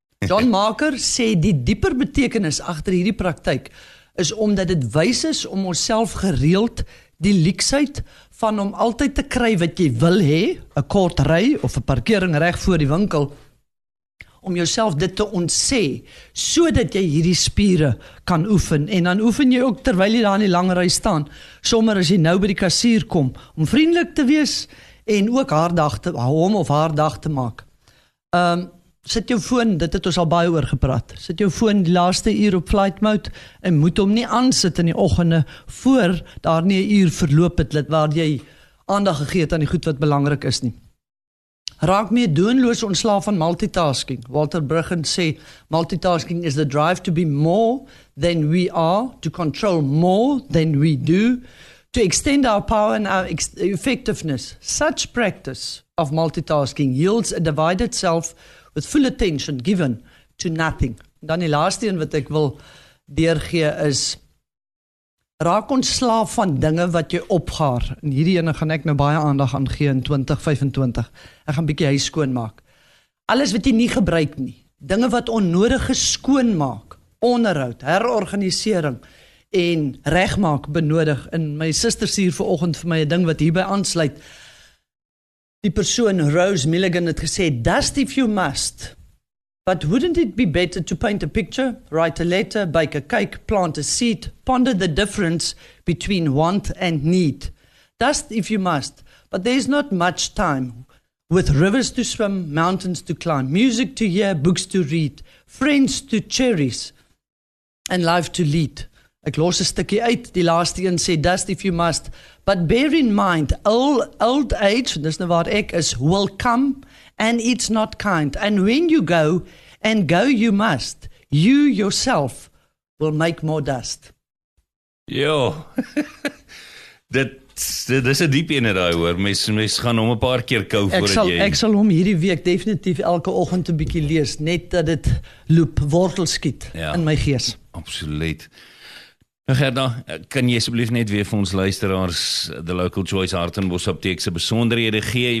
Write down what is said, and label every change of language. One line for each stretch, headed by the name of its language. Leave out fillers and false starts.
Afrikaans: John Maker sê, die dieper betekenis agter hierdie praktyk is omdat dit wys is om onsself gereeld die leksheid van om altyd te kry wat jy wil hê, 'n kort ry of 'n parkering reg voor die winkel, om jouself dit te ontsê, so dat jy hierdie spiere kan oefen, en dan oefen jy ook terwyl jy daar in die lange rij staan, sommer as jy nou by die kassier kom, om vriendelik te wees, en ook haar dag te, hom of haar dag te maak. Sit jou foon, dit het ons al baie oor gepraat, sit jou foon die laaste uur op flight mode, en moet hom nie aansit in die oggende, voor daar nie 'n uur verloop het, waar jy aandag gegee het aan die goed wat belangrik is nie. Raak mee doenloos ontslaaf van multitasking.
English: Walter Brueggen sê, multitasking is the drive to be more than we are, to control more than we do, to extend our power and our effectiveness. Such practice of multitasking yields a divided self with full attention given to nothing.
Afrikaans: Dan die laaste een wat ek wil deurgee is, raak ontslaaf van dinge wat jy opgaar. En hierdie ene gaan ek nou baie aandag aan gee in 2025. Ek gaan 'n bietjie huis skoonmaak. Alles wat jy nie gebruik nie. Dinge wat onnodig geskoonmaak. Onderhoud, herorganisering. en regmaak benodig. En my suster stuur vanoggend vir my 'n ding wat hierby aansluit. Die persoon Rose Milligan het gesê,
English: "Dust if you must, but wouldn't it be better to paint a picture, write a letter, bake a cake, plant a seed, ponder the difference between want and need. Dust if you must, but there's not much time. With rivers to swim, mountains to climb, music to hear, books to read, friends to cherish, and life to lead."
Afrikaans: Ek los 'n stukkie uit, die laaste een sê,
English: "Dust if you must, but bear in mind, old age,"
Afrikaans: dis nou waar ek is,
English: "will come, and it's not kind. And when you go, and go you must, you yourself will make more dust."
Afrikaans: Jo, dit is 'n diep ene daai hoor, mes gaan hom 'n paar keer kou voordat Ek sal hom hierdie week definitief elke oggend 'n bietjie lees, net dat dit loop, wortel skiet in my gees. Absoluut. Gerda, kan jy asseblief net weer vir ons luisteraars The Local Choice Hart en Bos Apteek se besonderhede gee?